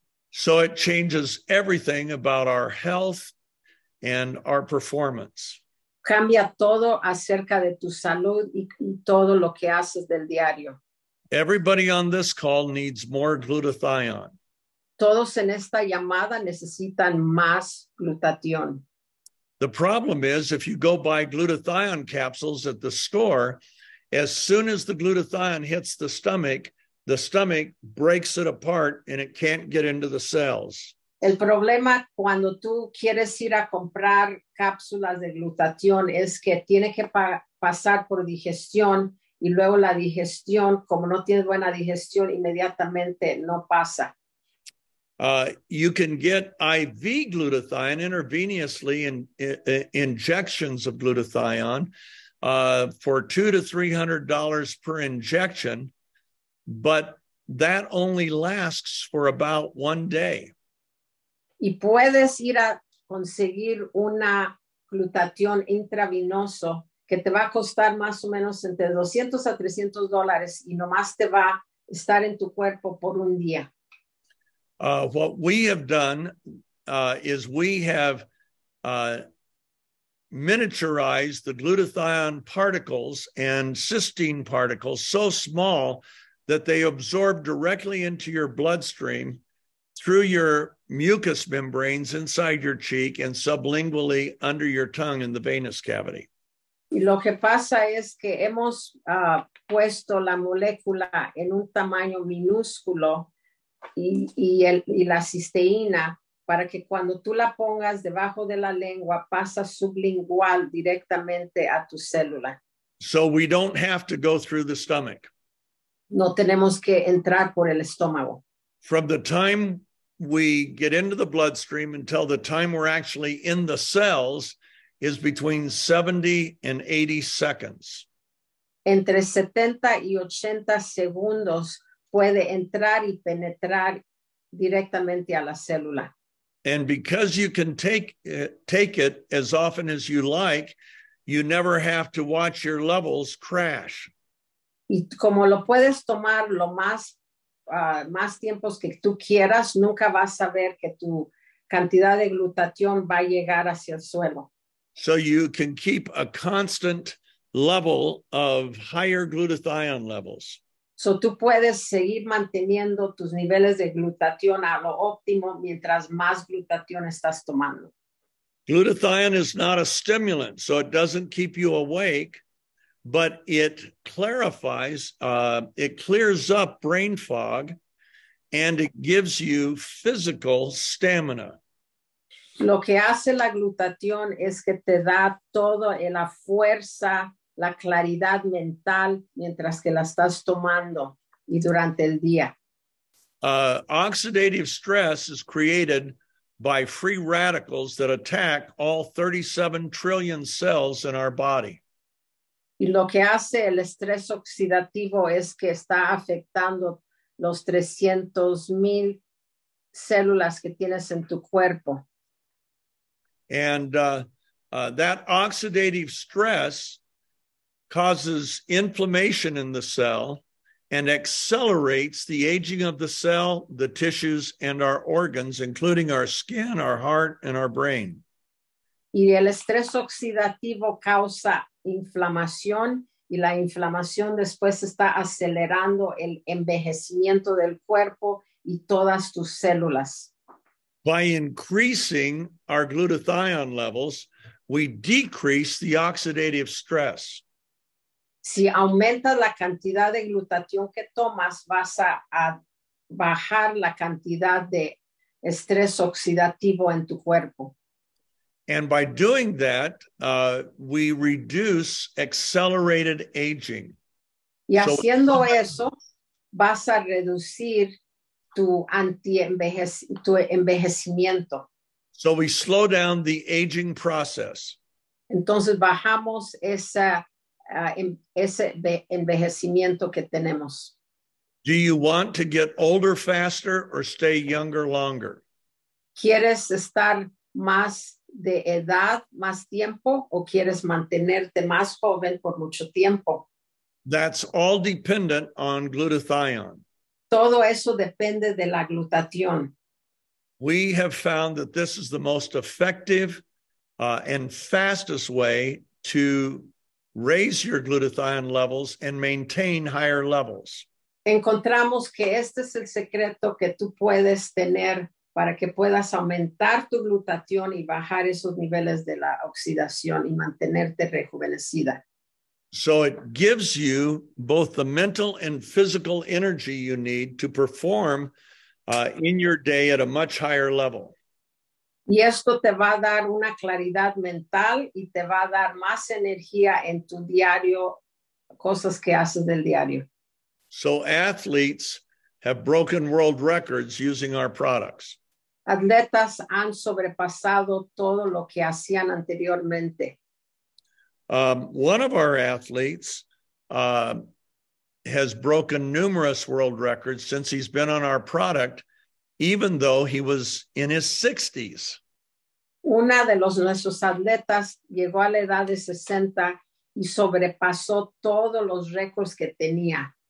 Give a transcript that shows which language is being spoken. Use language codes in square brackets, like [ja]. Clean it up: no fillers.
[en] So it changes everything about our health and our performance. [es] Cambia todo acerca de tu salud y todo lo que haces del diario. [en] Everybody on this call needs more glutathione. [es] Todos en esta llamada necesitan más glutatión. [en] The problem is, if you go buy glutathione capsules at the store, as soon as the glutathione hits the stomach breaks it apart and it can't get into the cells. [es] El problema cuando tú quieres ir a comprar cápsulas de glutatión es que tiene que pasar por digestión y luego la digestión, como no tiene buena digestión, inmediatamente no pasa. [en] You can get IV glutathione intravenously in injections of glutathione for $200 to $300 per injection, but that only lasts for about one day. [es] Y puedes ir a conseguir una glutatión intravenoso que te va a costar más o menos entre $200 to $300 y nomás te va a estar en tu cuerpo por un día. [en] What we have done is we have miniaturized the glutathione particles and cysteine particles so small that they absorb directly into your bloodstream through your mucous membranes inside your cheek and sublingually under your tongue in the venous cavity. [es] Y lo que pasa es que hemos puesto la molécula en un tamaño minúsculo y la cisteína para que cuando tú la pongas debajo de la lengua pasa sublingual directamente a tu célula. [en] So we don't have to go through the stomach. [es] No tenemos que entrar por el estómago. [en] From the time we get into the bloodstream until the time we're actually in the cells is between 70 and 80 seconds. [es] Entre 70 y 80 segundos puede entrar y penetrar directamente a la célula. [en] And because you can take it as often as you like, you never have to watch your levels crash. [es] Y como lo puedes tomar lo más más tiempos que tú quieras, nunca vas a ver que tu cantidad de glutatión va a llegar hacia el suelo. [en] So you can keep a constant level of higher glutathione levels. [es] So tú puedes seguir manteniendo tus niveles de glutatión a lo óptimo mientras más glutatión estás tomando. [en] Glutathione is not a stimulant, so it doesn't keep you awake. But it clarifies, it clears up brain fog, and it gives you physical stamina. [es] Lo que hace la glutatión es que te da todo en la fuerza, la claridad mental, mientras que la estás tomando y durante el día. [en] Oxidative stress is created by free radicals that attack all 37 trillion cells in our body. [es] Y lo que hace el estrés oxidativo es que está afectando los 300,000 células que tienes en tu cuerpo. [en] And that oxidative stress causes inflammation in the cell and accelerates the aging of the cell, the tissues, and our organs, including our skin, our heart, and our brain. [es] Y el estrés oxidativo causa inflamación y la inflamación después está acelerando el envejecimiento del cuerpo y todas tus células. [en] By increasing our glutathione levels, we decrease the oxidative stress. [es] Si aumentas la cantidad de glutatión que tomas, vas a bajar la cantidad de estrés oxidativo en tu cuerpo. [en] And by doing that, we reduce accelerated aging. [es] Y haciendo eso, vas a reducir tu envejecimiento. [en] So we slow down the aging process. [es] Entonces bajamos ese envejecimiento que tenemos. [en] Do you want to get older faster or stay younger longer? [es] ¿Quieres estar más de edad más tiempo o quieres mantenerte más joven por mucho tiempo? [en] That's all dependent on glutathione. [es] Todo eso depende de la glutatión. [en] We have found that this is the most effective and fastest way to raise your glutathione levels and maintain higher levels. [es] encontramos que este es el secreto que tú puedes tener para que puedas aumentar tu glutatión y bajar esos niveles de la oxidación y mantenerte rejuvenecida. [en] So it gives you both the mental and physical energy you need to perform in your day at a much higher level. [es] Y esto te va a dar una claridad mental y te va a dar más energía en tu diario, cosas que haces del diario. [en] So athletes have broken world records using our products. [es] Atletas han sobrepasado todo lo que hacían anteriormente. [en] One of our athletes has broken numerous world records since he's been on our product, even though he was in his 60s. [es] Una de los nuestros atletas llegó a la edad de 60 y sobrepasó todos los récords que tenía.